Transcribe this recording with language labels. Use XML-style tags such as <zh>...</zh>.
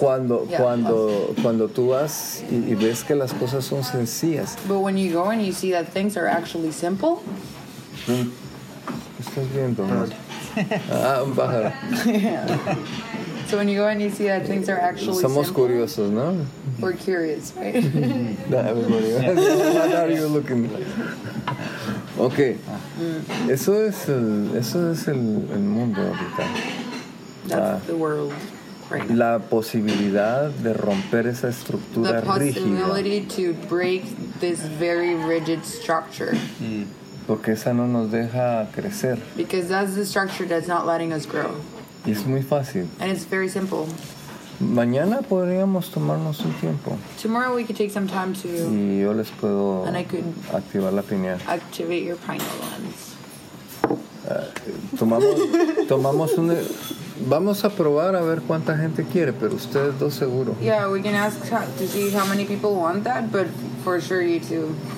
<es>cuando tú vas y ves que las cosas son sencillas.</es> <en>But when you go and you see that things are actually simple.</en> <es>¿Estás viendo? un pájaro.</es> <en>So when you go and you see that things are actually</en> <es>somos</es> <en>simple,</en> <es>curiosos, ¿no?</es> <en>We're curious, right? No, everybody. What are you looking like? Okay.</en> <es>Eso es el mundo ahorita.</es> <en>That's the world right now.</en> <es>La posibilidad de romper esa estructura rígida.</es> <en>The possibility to break this very rigid structure.</en> <es>Porque esa no nos deja crecer.</es> <en>Because that's the structure that's not letting us grow.</en> <es>Y es muy fácil.</es> <en>And it's very simple.</en> <es>Mañana podríamos tomarnos un tiempo.</es> <en>Tomorrow we could take some time to...</en> <es>Y yo les puedo...</es> <en>And I could...</en> <es>Activar la pineal.</es> <en>Activate your pineal lens.</en> <es>Tomamos un... Vamos a probar a ver cuánta gente quiere, pero ustedes dos seguro.</es> <en>Yeah, we can ask to see how many people want that, but for sure you two...</en>